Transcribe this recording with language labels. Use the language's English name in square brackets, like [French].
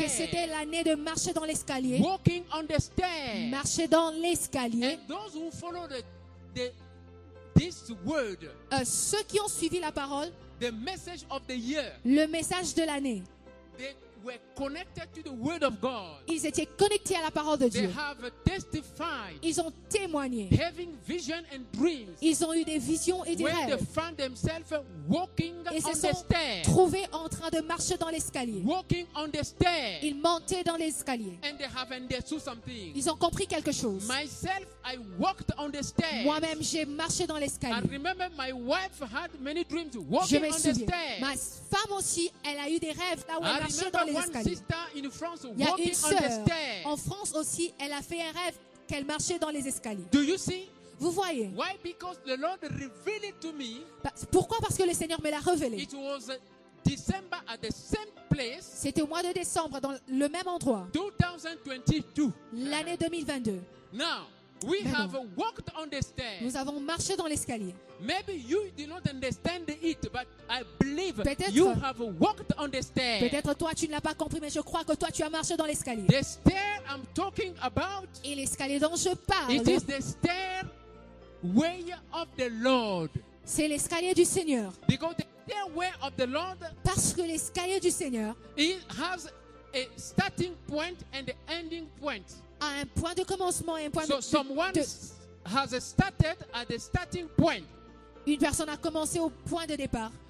[French] que c'était l'année de marcher dans l'escalier, [English] walking on the stair, [French] marcher dans l'escalier. [English] And those who follow this word, [French] ceux qui ont suivi la parole, [English] the message of the year, [French] le message de l'année, [English] they were connected to the word of God. [French] Ils étaient connectés à la parole de Dieu. [English] They have testified, [French] ils ont témoigné. [English] Having vision and dreams, [French] ils ont eu des visions et des [English] when [French] rêves. [English] They found themselves walking [French] et [English] on [French] se sont [English] the stairs, [French] trouvés en train de marcher dans l'escalier. [English] Walking on the stairs, [French] ils montaient dans l'escalier. [English] And they have understood something. [French] Ils ont compris quelque chose. [English] Myself, I walked on the stairs. [French] Moi-même, j'ai marché dans l'escalier. [English] I remember my wife had many dreams walking [French] je me souviens, [English] on the stairs. [French] Ma femme aussi, elle a eu des rêves là où elle marchait dans l'escalier. Il y a une sœur en France aussi, elle a fait un rêve qu'elle marchait dans les escaliers. [English] Do you see? [French] Vous voyez? [English] Why? Because the Lord revealed it to me. [French] Pourquoi? Parce que le Seigneur me l'a révélé. [English] It was December at the same place. [French] C'était au mois de décembre dans le même endroit. [English] 2022. [French] L'année 2022. [English] Now. We have walked on the stairs. [French] Nous avons marché dans l'escalier. [English] Maybe you did not understand it, but I believe [French] peut-être, [English] you have walked on the stairs. [French] Peut-être toi tu ne l'as pas compris, mais je crois que toi tu as marché dans l'escalier. [English] The stair I'm talking about. [French] Et l'escalier dont je parle. [English] It is the stair way of the Lord. [French] C'est l'escalier du Seigneur. [English] Because the stairway of the Lord. [French] Parce que l'escalier du Seigneur. [English] It has a starting point and an ending point. [French] À un point de commencement et un point [English] so [French] de [English] someone has started at the starting point. [French] Une personne a commencé au point de départ.